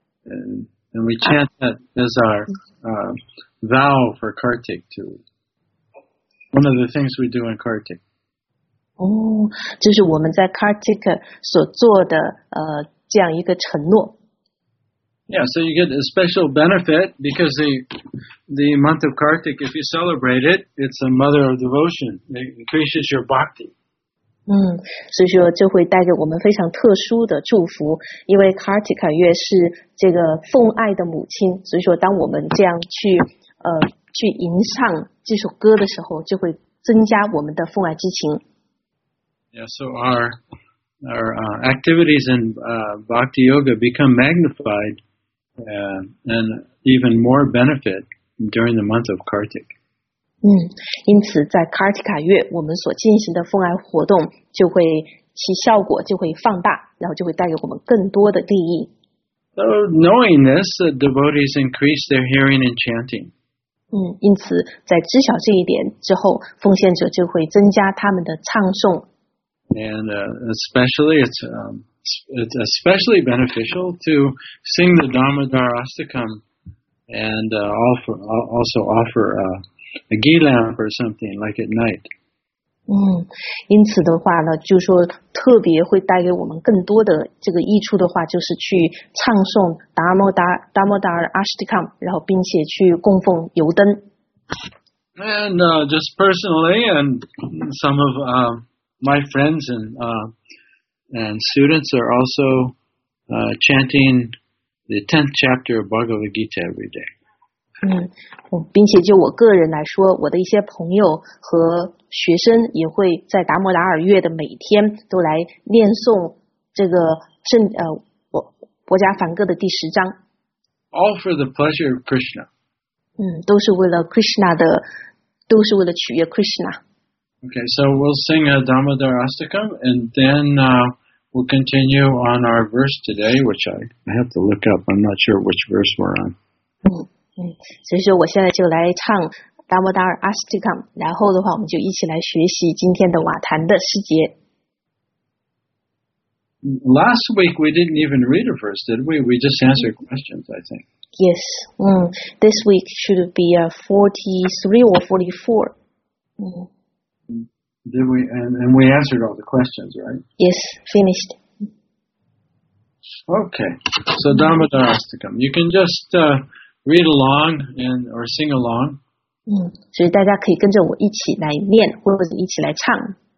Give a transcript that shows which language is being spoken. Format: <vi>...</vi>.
<en>And we chant that as our vow for Kartik too. One of the things we do in Kartik.</en> <zh>这是我们在 Kartik 所做的这样一个承诺。</zh> <en>Yeah, so you get a special benefit because the month of Kartik, if you celebrate it, it's a mother of devotion. It increases your bhakti.</en> <zh>所以说就会带给我们非常特殊的祝福，因为 Kartik 月是这个奉爱的母亲，所以说当我们这样去吟唱这首歌的时候，就会增加我们的奉爱之情。</zh> <en>Yeah, so our activities in bhakti yoga become magnifiedand even more benefit during the month of Kartik.</en> <zh>因此在 Kartika 月，我们所进行的奉爱活动就会其效果就会放大，然后就会带给我们更多的利益。</zh> <en>So knowing this, the devotees increase their hearing and chanting.</en> <zh>因此在知晓这一点之后，奉献者就会增加他们的唱诵。</zh> <en>And especially it's especially beneficial to sing the Damodar Astakam and offer a ghee lamp or something like at night.</en> <zh>因此的话呢，就说特别会带给我们更多的这个益处的话，就是去唱诵达摩达尔 Astakam， 然后并且去供奉油灯。</zh> <en>And just personally and some of my friends and students are also chanting the 10th chapter of Bhagavad Gita every day.</en> <zh>并且就我个人来说，我的一些朋友和学生也会在达摩达尔月的每天都来念诵这个博迦梵歌的第十章。</zh> <en>All for the pleasure of Krishna.</en> <zh>都是为了 Krishna 的，都是为了取悦 Krishna。</zh> <en>Okay, so we'll sing a Damodar Astakam, and then we'll continue on our verse today, which I have to look up. I'm not sure which verse we're on.</en> <zh>所以说我现在就来唱 Damodar Astakam, 然后的话我们就一起来学习今天的瓦坛的诗节。</zh> <en>Last week we didn't even read a verse, did we? We just answered questions, I think. Yes, this week should be a 43 or 44. Did we? And we answered all the questions, right? Yes, finished. Okay, so Damodar Astakam. You can just read along or sing along.</en> <zh>所以大家可以跟着我一起来念，或者一起来唱。</zh>